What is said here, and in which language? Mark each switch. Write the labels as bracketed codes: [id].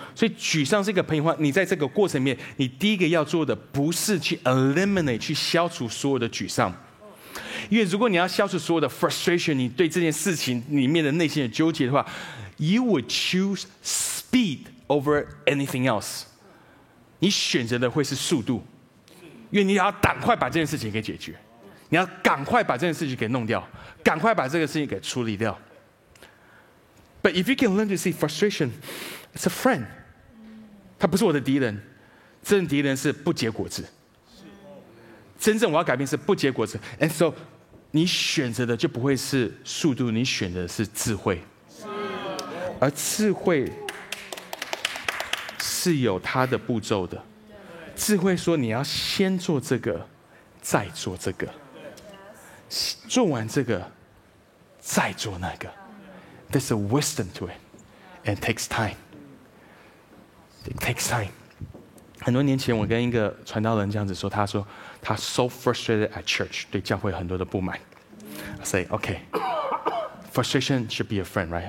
[zh] 所以沮丧是一个朋友的话，你在这个过程里面，你第一个要做的不是去 eliminate 去消除所有的沮丧，因为如果你要消除所有的 frustration， 你对这件事情里面的内心的纠结的话 ， [en] You would choose speed over anything else. [zh] 你选择的会是速度，因为你要赶快把这件事情给解决，你要赶快把这件事情给弄掉，赶快把这个事情给处理掉。 [en] But if you can learn to see frustration, it's a friend. [zh] 他不是我的敌人，真正敌人是不结果子。真正我要改变是不结果子。 [en] And so, [zh] 你选择的就不会是速度，你选择的是智慧。而智慧是有它的步骤的，智慧说你要先做这个，再做这个，做完这个，再做那个。 [en] There's a wisdom to it, and it takes time. It takes time. [zh] 很多年前，我跟一个传道人这样子说，他说他 [en] so frustrated at church, [zh] 对教会很多的不满。 [en] I say, okay, frustration should be a friend, right?